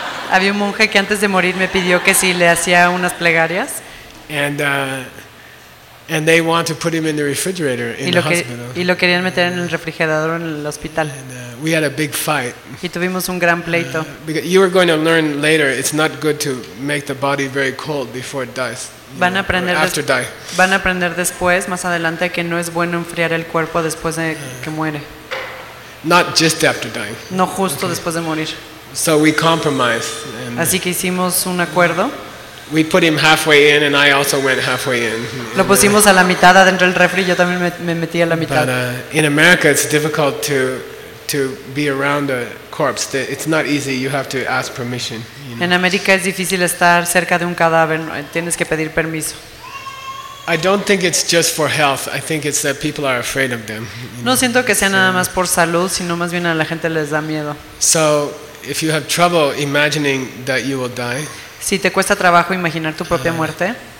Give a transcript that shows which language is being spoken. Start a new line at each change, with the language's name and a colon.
Spanish: Había un monje que antes de morir me pidió que si le hacía unas plegarias.
English: And they want to put him in the refrigerator in the hospital.
Spanish: Y lo querían meter en el refrigerador en el hospital.
English: We had a big fight.
Spanish: Y tuvimos un gran pleito.
English: You are going to learn later it's not good to make the body very cold before it dies.
Spanish: Van a aprender después, más adelante, que no es bueno enfriar el cuerpo después de que muere.
English: Not just after dying.
Spanish: No justo después de morir.
English: So we compromised.
Spanish: Así que hicimos un acuerdo.
English: We put him halfway in, and I also went halfway in.
Spanish: Lo pusimos a la mitad adentro del refri. Yo también me metí a la mitad.
English: But in America, it's difficult to be around a corpse. It's not easy. You have to ask permission.
Spanish: En América es difícil estar cerca de un cadáver. Tienes que pedir permiso.
English: I don't think it's just for health. I think it's that people are afraid of them.
Spanish: No siento que sea nada más por salud, sino más bien a la gente les da miedo.
English: So, if you have trouble imagining that you will die,
Spanish: si te cuesta trabajo imaginar tu propia muerte,